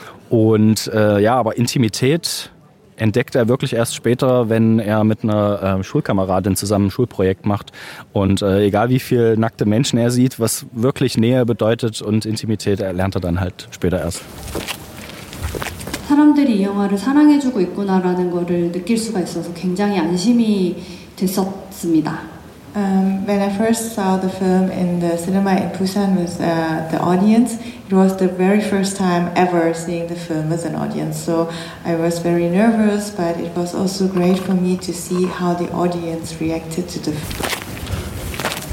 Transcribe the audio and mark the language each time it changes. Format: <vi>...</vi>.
<de>Und aber Intimität entdeckt er wirklich erst später, wenn er mit einer Schulkameradin zusammen ein Schulprojekt macht. Und egal wie viel nackte Menschen er sieht, was wirklich Nähe bedeutet und Intimität, er lernt er dann halt später erst.</de> <ko>사람들이 이 영화를 사랑해주고 있구나라는 거를 느낄 수가 있어서 굉장히 안심이 됐었습니다.</ko> <en>When I first saw the film in the cinema in Busan with the audience, it was the very first time ever seeing the film with an audience. So I was very nervous, but it was also great for me to see how the audience reacted to the film.</en>